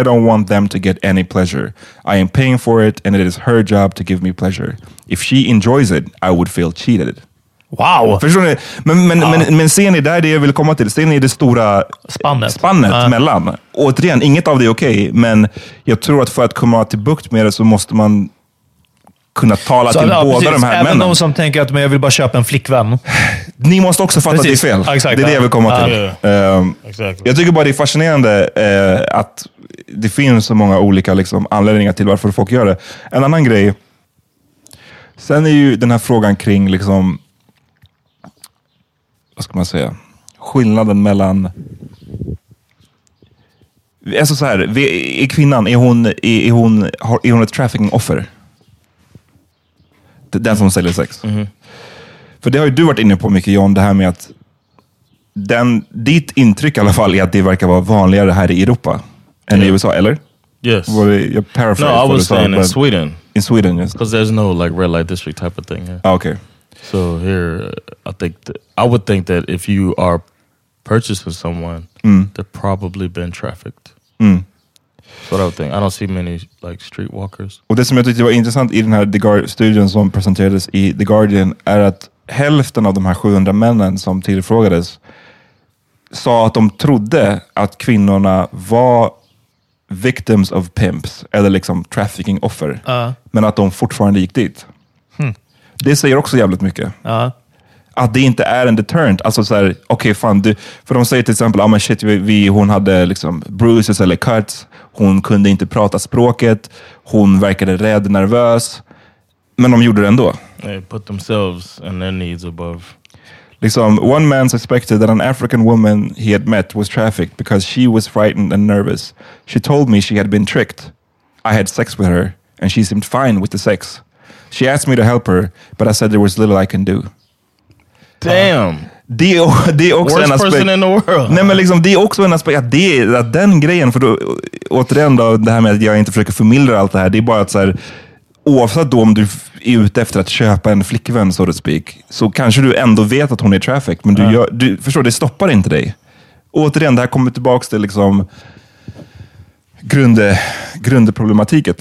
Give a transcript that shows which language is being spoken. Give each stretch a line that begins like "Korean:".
English: I don't want them to get any pleasure. I am paying for it and it is her job to give me pleasure. If she enjoys it, I would feel cheated. Wow!
Swedish: Förstår ni? Men ser ni där det jag vill komma till? Ser ni det stora spannet mellan? Återigen, inget av det är okej, okay, men jag tror att för att komma till bukt med det så måste man kunna tala så, till ja, båda precis, de här även männen. Även de som tänker att men jag vill bara köpa en flickvän. Ni måste också fatta precis. Att det är fel.
English: Exactly.
Swedish: Det är det jag vill komma till. Jag tycker bara det är fascinerande att det finns så många olika liksom, anledningar till varför folk gör det. En annan grej. Sen är ju den här frågan kring liksom vad ska man säga? Skillnaden mellan alltså så här, är kvinnan är hon ett trafficking offer? Den som säljer sex. Mm-hmm. För det har ju du varit inne på mycket, John, det här med att ditt intryck i alla fall är att det verkar vara vanligare här i Europa än i USA, eller?
English: Yes.
Swedish: Jag paraphrased.
English: No, I was saying in Sweden. In Sweden, yes. Because there's no like red light district type of thing. Yeah. Okay. So here, I would think that if you are purchased with someone, they've probably been trafficked. Mm. That's what I would think. I don't see many like streetwalkers.
Swedish: Och det som jag tyckte var intressant i den här studien som presenterades i The Guardian är att hälften av de här 700 männen som tillfrågades sa att de trodde att kvinnorna var victims of pimps eller liksom trafficking offer, men att de fortfarande gick dit. Det säger också jävligt mycket. Att det inte är en deterrent. Alltså så här, okej, fan du. För de säger till exempel, ja men shit, hon hade liksom bruises eller cuts. Hon kunde inte prata språket. Hon verkade rädd, nervös. Men de gjorde det ändå.
English: They put themselves and their needs above. Liksom, one man suspected that an African woman he had met was trafficked because she was frightened and nervous. She told me she had been tricked. I had sex with her and she seemed fine with the sex. She asked me to help her, but I said there was little I can do. Damn.
Swedish: Det är också
English: worst
Swedish: en aspekt.
English: Worst person in the world.
Swedish: Nej, men liksom, det är också en aspekt. Att den grejen, för då, återigen då, det här med att jag inte försöker förmildra allt det här. Det är bara att så här, oavsett då om du är ute efter att köpa en flickvän, så att speak, så kanske du ändå vet att hon är traffic. Men du förstår, det stoppar inte dig. Återigen, det här kommer tillbaka till liksom grundproblematiket.